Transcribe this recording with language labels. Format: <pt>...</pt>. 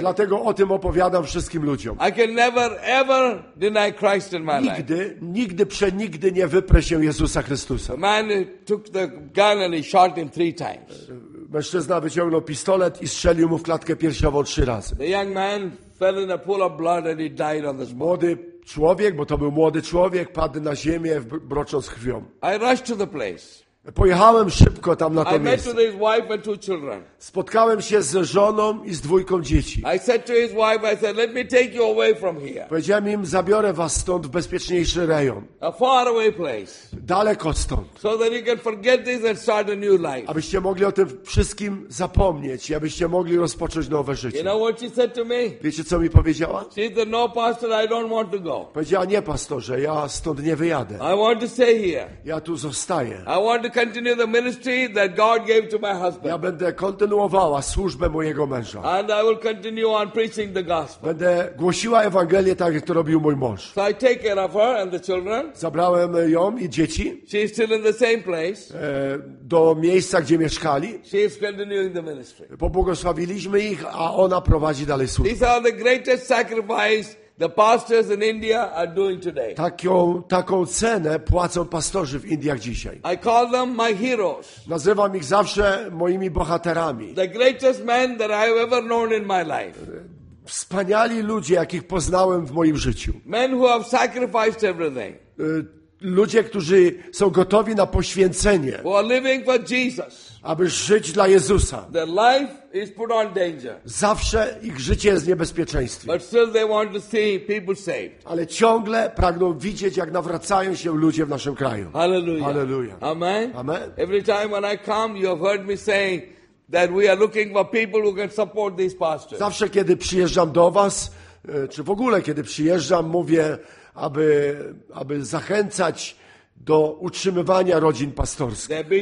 <pl>Dlatego o tym opowiadam wszystkim ludziom.</pl> <en>I can never, ever deny Christ in my life.</en> <pl>Nigdy, nigdy, przenigdy nie wyprę się Jezusa Chrystusa.</pl> <en>The man took the gun and he shot him three times.</en> <pl>Mężczyzna wyciągnął pistolet i strzelił mu w klatkę piersiową trzy razy.</pl> <en>The young man fell in a pool of blood and he died on the spot.</en> <pl>Młody człowiek, bo to był młody człowiek, padł na ziemię, brocząc krwią.</pl> <en>I rushed to the place.</en> <pl>Pojechałem szybko tam na to miejsce.</pl> <en>I met with his wife and two children.</en> <pl>Spotkałem się z żoną i z dwójką dzieci.</pl> <en>I said to his wife, I said, let me take you away from here.</en> <pl>Powiedziałem im, zabiorę was stąd w bezpieczniejszy rejon.</pl> <en>A far away place.</en> <pl>Daleko stąd.</pl> <en>So that you can forget this and start a new life.</en> <pl>Abyście mogli o tym wszystkim zapomnieć i abyście mogli rozpocząć nowe życie.</pl> <en>You know what she said to me?</en> <pl>Wiecie, co mi powiedziała?</pl> <en>She said, no, pastor, I don't want to go.</en> <pl>Powiedziała, nie, pastorze, ja stąd nie wyjadę.</pl> <en>I want to stay here.</en> <pl>Ja tu zostaję.</pl> <en>I want to continue the ministry that God gave to my husband.</en> <pl>Ja będę kontynuowała służbę mojego męża.</pl> <en>And I will continue on preaching the gospel.</en> <pl>Będę głosiła Ewangelię tak, jak to robił mój mąż.</pl> <en>So I take care of her and the children.</en> <pl>Zabrałem ją i dzieci.</pl> <en>She is still in the same place.</en> <pl>Do miejsca, gdzie mieszkali.</pl> <en>She is continuing the ministry.</en> <pl>Pobłogosławiliśmy ich, a ona prowadzi dalej służbę.</pl> <en>These are the greatest sacrifice the pastors in India are doing today.</en> <pl>Taką cenę płacą pastorzy w Indiach dzisiaj.</pl> <en>I call them my heroes.</en> <pl>Nazywam ich zawsze moimi bohaterami.</pl> <en>The greatest men that I have ever known in my life.</en> <pl>Wspaniali ludzie, jakich poznałem w moim życiu.</pl> <en>Men who have sacrificed everything.</en> <pl>Ludzie, którzy są gotowi na poświęcenie.</pl> <en>Who are living for Jesus.</en> <pl>Aby żyć dla Jezusa.</pl> <en>Their life is put on danger.</en> <pl>Zawsze ich życie jest w niebezpieczeństwie.</pl> <en>But still they want to see people saved.</en> <pl>Ale ciągle pragną widzieć, jak nawracają się ludzie w naszym kraju. Hallelujah. Hallelujah. Amen. Amen.</pl> <en>Every time when I come, you have heard me saying that we are looking for people who can support these pastors.</en> <pl>Zawsze kiedy przyjeżdżam do was, czy w ogóle kiedy przyjeżdżam, mówię, aby zachęcać do utrzymywania rodzin pastorskich.</pl>